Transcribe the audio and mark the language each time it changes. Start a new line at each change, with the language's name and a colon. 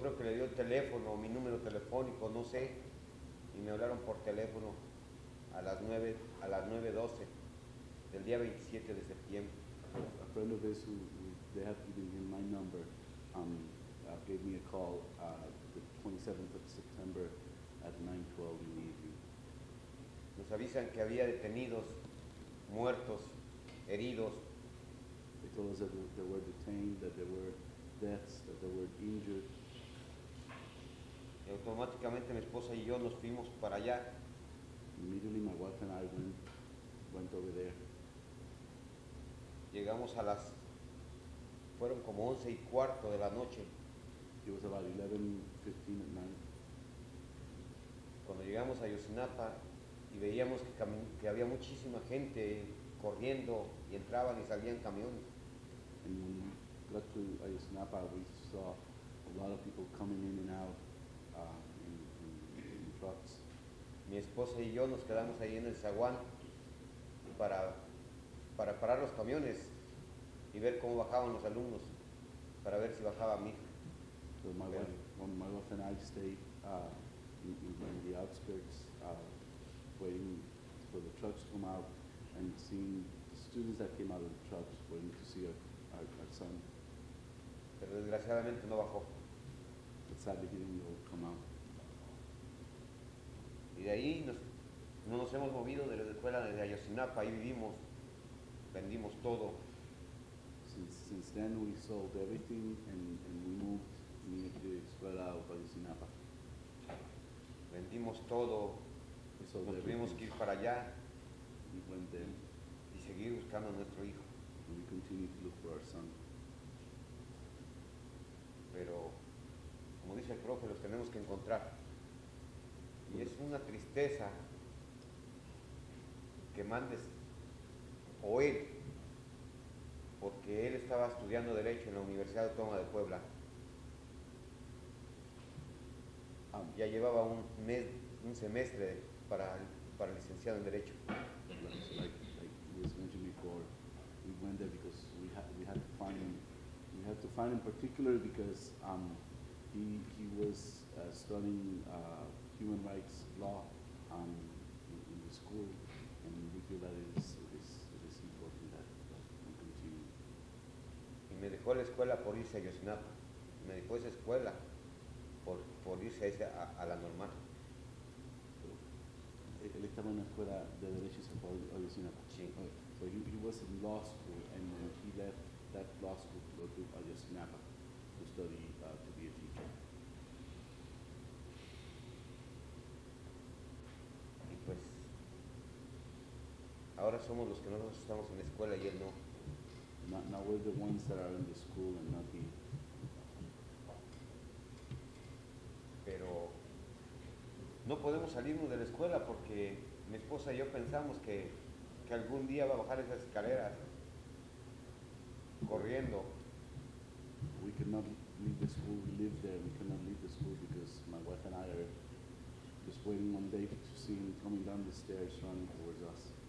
Spanish: creo que le dio el teléfono, mi número telefónico, no sé, y me hablaron por teléfono a las 9:12 del día 27 de septiembre.
English: A friend of his who they have given him my number gave me a call the 27th of September at 9:12 in the evening.
Spanish: Nos avisan que había detenidos, muertos, heridos.
English: They told us that they were detained, that they were deaths, that they were injured.
Spanish: Y automáticamente mi esposa y yo nos fuimos para allá.
English: Immediately my wife and I went over there.
Spanish: Llegamos a las, fueron como 11:15 de la noche.
English: It was about 11:15 at night.
Spanish: cuando llegamos a Ayotzinapa y veíamos que había muchísima gente corriendo y entraban y salían camiones.
English: And when we got to Ayotzinapa, we saw a lot of people coming in and out in trucks.
Spanish: Mi esposa y yo nos quedamos ahí en el zaguán para parar los camiones y ver cómo bajaban los alumnos, para ver si bajaba a mí.
English: So my wife, well, my wife and I stayed in the outskirts waiting for the trucks to come out and seeing the students that came out of the trucks waiting to see our son.
Spanish: Pero desgraciadamente no bajó.
English: But sadly he didn't come out.
Spanish: Y de ahí no nos hemos movido de la escuela desde Ayotzinapa, ahí vivimos, vendimos todo.
English: Since then we sold everything and we moved near the escuela of Ayotzinapa.
Spanish: Vendimos todo, nos tuvimos que ir para allá y seguir buscando a nuestro hijo.
English: And we continued to look for our son.
Spanish: Pero, como dice el profe, los tenemos que encontrar. Y es una tristeza que mandes o él, porque él estaba estudiando Derecho en la Universidad Autónoma de Puebla. Ya llevaba un semestre para licenciado en Derecho.
English: Like was mentioned before, we went there because we had to find him. We had to find him particularly because he was studying human rights law in the school, and we feel that it is important that we continue.
Spanish: Y me dejó la escuela por irse a Ayotzinapa. Me dejó esa escuela por irse a la normal. Él estaba en la escuela de derechos a Ayotzinapa. Sí.
English: So he was in law school, and then he left that law school to go to Ayotzinapa to study to be a teacher.
Spanish: Pues ahora somos los que nosotros estamos en la escuela y él no.
English: Now we're the ones that are in the school and not he.
Spanish: Pero no podemos salirnos de la escuela porque mi esposa y yo pensamos que algún día va a bajar esas escaleras corriendo.
English: We cannot leave the school, we live there. We cannot leave the school because my wife and I are just waiting one day to see him coming down the stairs running towards us.